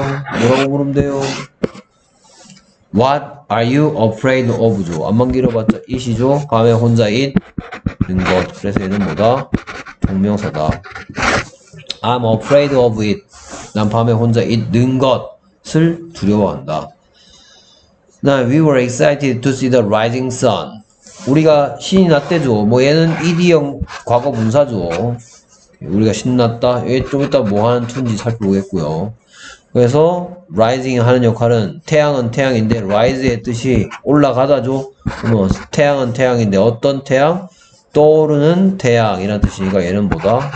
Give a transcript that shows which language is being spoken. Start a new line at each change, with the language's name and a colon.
Korean: 뭐라고 물으면 돼요?
English: What are you afraid of?
Korean: 죠. 안만 길어봤자 이시죠? 밤에 혼자 있는 것. 그래서 얘는 뭐다? 동명사다.
English: I'm afraid of it.
Korean: 난 밤에 혼자 있는 것을 두려워한다.
English: Now we were excited to see the rising sun.
Korean: 우리가 신이 났대죠. 뭐 얘는 ED형 과거 분사죠. 우리가 신났다. 얘좀 이따 뭐 하는 툰지 살펴보겠고요. 그래서 rising 하는 역할은 태양은 태양인데 rise의 뜻이 올라가다죠. 그러면 태양은 태양인데 어떤 태양? 떠오르는 태양이란 뜻이니까 얘는 뭐다?